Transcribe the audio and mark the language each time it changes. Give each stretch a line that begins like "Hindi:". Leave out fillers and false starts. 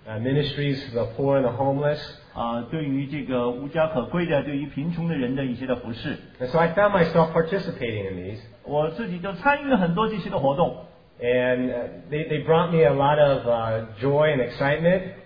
English: Ministries for the poor and the homeless.
Chinese: 对于这个无家可归的，对于贫穷的人的一些的服事。
English: And so I found myself participating in these.
Chinese: 我自己就参与了很多这些的活动。
English: And they brought me a lot of joy and excitement.